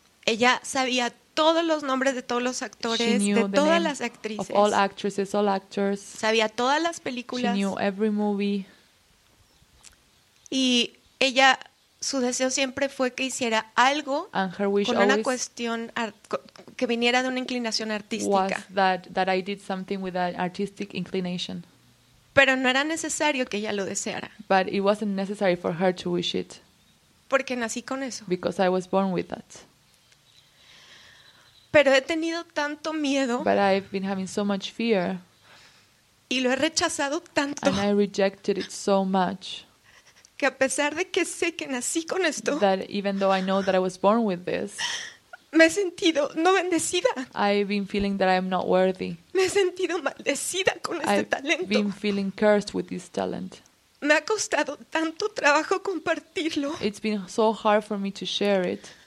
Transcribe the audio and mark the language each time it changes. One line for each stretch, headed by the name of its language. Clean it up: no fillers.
Spanish: Ella sabía todos los nombres de todos los actores, de todas las actrices.
English: Of all actresses, all actors.
Spanish: Sabía todas las películas.
English: She knew every movie.
Spanish: Y ella, su deseo siempre fue que hiciera algo
English: and her wish
Spanish: con una cuestión que viniera de una inclinación artística.
English: Was that I did something with an artistic inclination.
Spanish: Pero no era necesario que ella lo deseara.
English: But it wasn't necessary for her to wish it.
Spanish: Porque nací con eso.
English: Because I was born with that.
Spanish: Pero he tenido tanto miedo.
English: But I've been having so much fear.
Spanish: Y lo he rechazado tanto.
English: And I rejected it so much.
Spanish: Que a pesar de que sé que nací con esto.
English: That even though I know that I was born with this.
Spanish: Me he sentido no bendecida.
English: I've been feeling that I'm not worthy.
Spanish: Me he sentido maldecida con
English: I've
Spanish: este talento.
English: I've been feeling cursed with this talent.
Spanish: Me ha costado tanto trabajo compartirlo.
English: It's been so hard for me to share it.